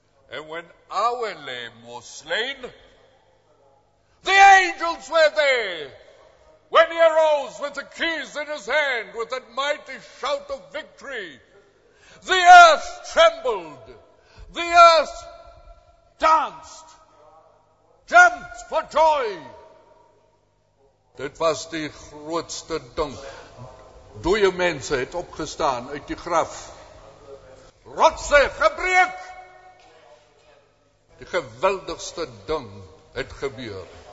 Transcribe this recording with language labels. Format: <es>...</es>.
<en>And when our Lamb was slain, the angels were there. When he arose with the keys in his hand, with that mighty shout of victory, the earth trembled, the earth danced, jumped for joy.</en> <af>Dit was die grootste ding. Doe mensen het opgestaan uit die graf. Rotse, gebreek! die geweldigste ding het gebeur.</af>